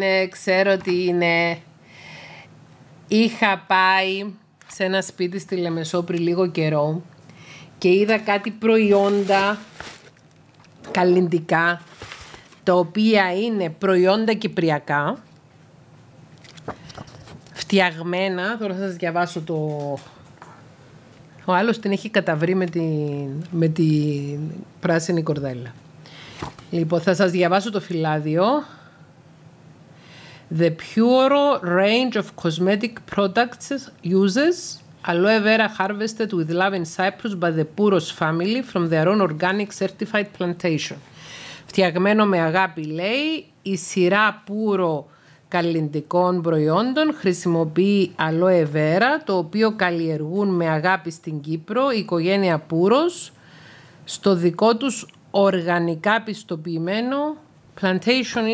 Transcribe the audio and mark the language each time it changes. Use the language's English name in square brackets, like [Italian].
[Greek] Ξέρω τι είναι. Είχα πάει σε ένα σπίτι στη Λεμεσό πριν λίγο καιρό και είδα κάτι προϊόντα καλλιντικά, τα οποία είναι προϊόντα κυπριακά, φτιαγμένα. Τώρα θα σας διαβάσω το... Ο άλλος την έχει καταβρει με την πράσινη κορδέλα. Λοιπόν, θα σας διαβάσω το φυλάδιο. [English] The Puro range of cosmetic products uses aloe vera harvested with love in Cyprus by the Puros family from their own organic certified plantation. [Greek] Φτιαγμένο με αγάπη, λέει, η σειρά Puro καλλιντικών προϊόντων χρησιμοποιεί aloe vera, το οποίο καλλιεργούν με αγάπη στην Κύπρο η οικογένεια Puros στο δικό τους οργανικά πιστοποιημένο plantation.